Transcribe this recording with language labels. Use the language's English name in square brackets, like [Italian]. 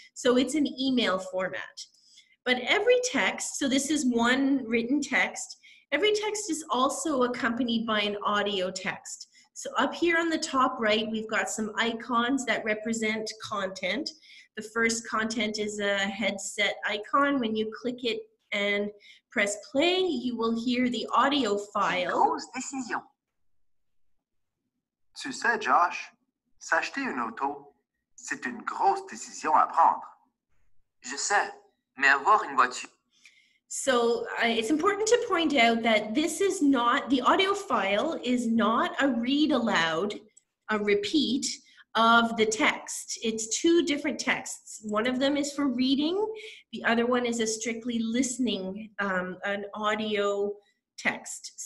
[English] So it's an email format. But every text, so this is one written text, every text is also accompanied by an audio text. So up here on the top right, we've got some icons that represent content. The first content is a headset icon. When you click it and press play, you will hear the audio file. [French] Une grosse décision. Tu sais, Josh, s'acheter une auto, c'est une grosse décision à prendre. Je sais, mais avoir une voiture... [English] So it's important to point out that this is not, the audio file is not a read aloud, a repeat of the text. It's two different texts. One of them is for reading. The other one is a strictly listening, an audio text.